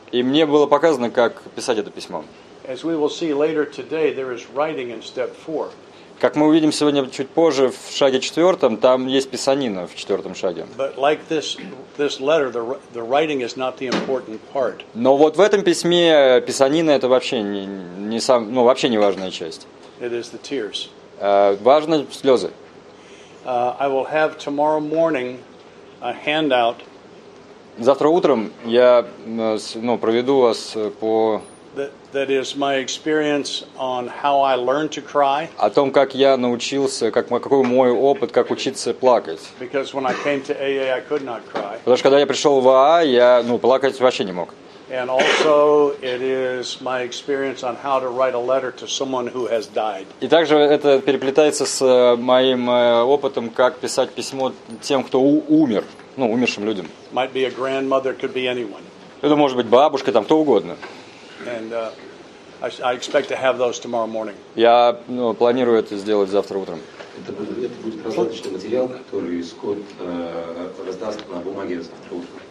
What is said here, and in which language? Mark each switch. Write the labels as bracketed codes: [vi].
[ru] И мне было показано, как писать это письмо. [en] As we will see later today, there is writing in step 4. [ru] Как мы увидим сегодня чуть позже в шаге четвертом, там есть писанина в четвертом шаге. [en] But like this letter, the writing is not the important part. [ru] Но вот в этом письме писанина это вообще вообще не важная часть. [en] It is the tears. [ru] Важны слезы. [en] I will have tomorrow morning a handout. [ru] Завтра утром я проведу вас по. [en] That is my experience on how I learned to cry. [ru] О том, как я научился, какой мой опыт, как учиться плакать. [en] Because when I came to AA, I could not cry. [ru] Потому что когда я пришел в АА, я плакать вообще не мог. [en] And also, it is my experience on how to write a letter to someone who has died. [ru] И также это переплетается с моим опытом, как писать письмо тем, кто умер, умершим людям. [en] Might be a grandmother, could be anyone. [ru] Это может быть бабушка, там кто угодно. [en] And I expect to have those tomorrow morning. [ru] Я планирую это сделать завтра утром. Это будет раздаточный материал, который Скотт раздаст на бумаге завтра утром.